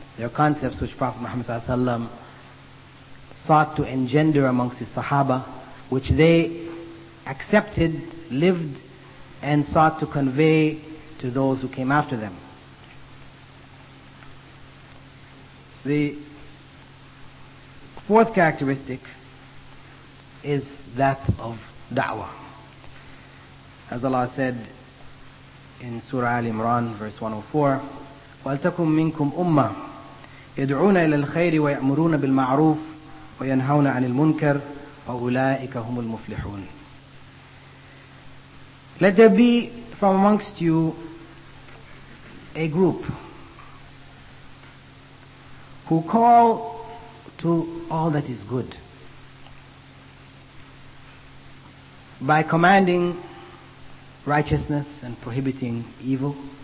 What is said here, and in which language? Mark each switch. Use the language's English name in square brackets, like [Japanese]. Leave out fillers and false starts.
[English] They are concepts which Prophet Muhammad Sallallahu Alaihi Wasallam sought to engender amongst the Sahaba, which they accepted, lived, and sought to convey to those who came after them. The fourth characteristic is that of da'wah. As Allah said in Surah Al-Imran, verse 104, [Arabic] وَلْتَكُمْ مِنْكُمْ أُمَّةٌ يَدْعُونَ إِلَى الْخَيْرِ وَيَأْمُرُونَ بِالْمَعْرُوفِ وَيَنْهَوْنَ عَنِ الْمُنْكَرِ وَأُولَٰئِكَ هُمُ الْمُفْلِحُونَ. [English] Let there be from amongst you a group who call to all that is good by commanding righteousness and prohibiting evil.